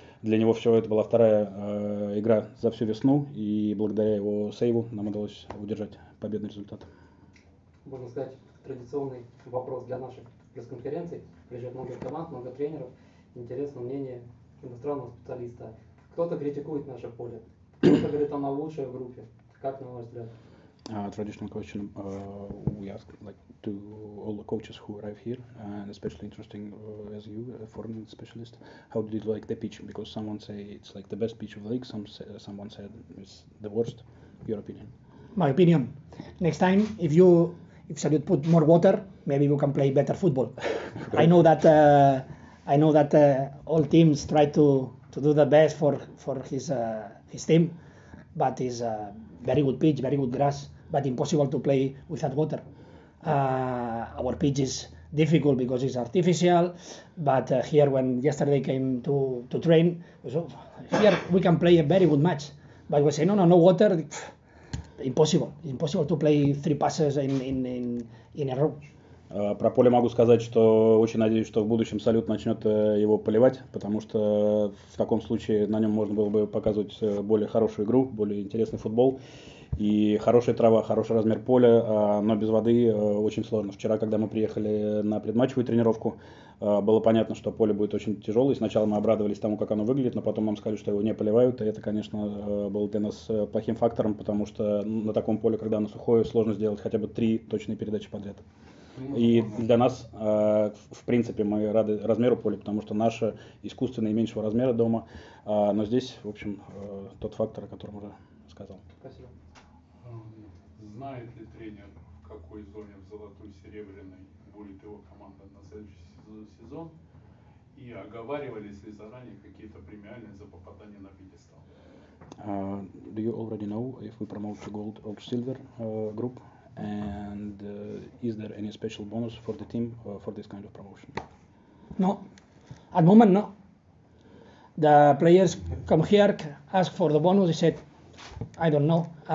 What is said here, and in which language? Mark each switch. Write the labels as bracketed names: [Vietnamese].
[Russian] Для него все это была вторая игра за всю весну, и благодаря его сейву нам удалось удержать победный результат. Можно сказать, традиционный вопрос для наших пресс-конференций. Приезжает много команд, много тренеров. Интересно мнение иностранного специалиста. Кто-то критикует наше поле, кто-то говорит, оно лучшее в группе. Как на ваш взгляд? [English] Traditional question, we ask like to all the coaches who arrive here, and especially interesting as you, a foreign specialist, how did you like the pitch? Because someone say it's like the best pitch of the league, someone said it's the worst. Your opinion? My opinion. Next time, if Salut put more water, maybe we can play better football. Okay. I know that all teams try to do the best for his team, but it's a very good pitch, very good grass. But impossible to play without water. Our pitch is difficult because it's artificial. But here, when yesterday came to train, so here we can play a very good match. But we say no, water. impossible. It's impossible to play three passes in a row. [Russian] Про поле могу сказать, что очень надеюсь, что в будущем Салют начнет его поливать, потому что в таком случае на нем можно было бы показывать более хорошую игру, более интересный футбол. И хорошая трава, хороший размер поля, но без воды очень сложно. Вчера, когда мы приехали на предматчевую тренировку, было понятно, что поле будет очень тяжелое. Сначала мы обрадовались тому, как оно выглядит, но потом нам сказали, что его не поливают. И это, конечно, было для нас плохим фактором, потому что на таком поле, когда оно сухое, сложно сделать хотя бы три точные передачи подряд. И для нас, в принципе, мы рады размеру поля, потому что наше искусственное и меньшего размера дома. Но здесь, в общем, тот фактор, о котором уже сказал. Спасибо. Знает ли тренер, в какой зоне в золотой серебряной будет его команда на следующий сезон? И оговаривались ли заранее какие-то премиальные за попадание на пьедестал? [English] Do you already know if we promote to gold or silver group? And is there any special bonus for the team for this kind of promotion? No, at the moment no. The players come here, ask for the bonus. They said, I don't know.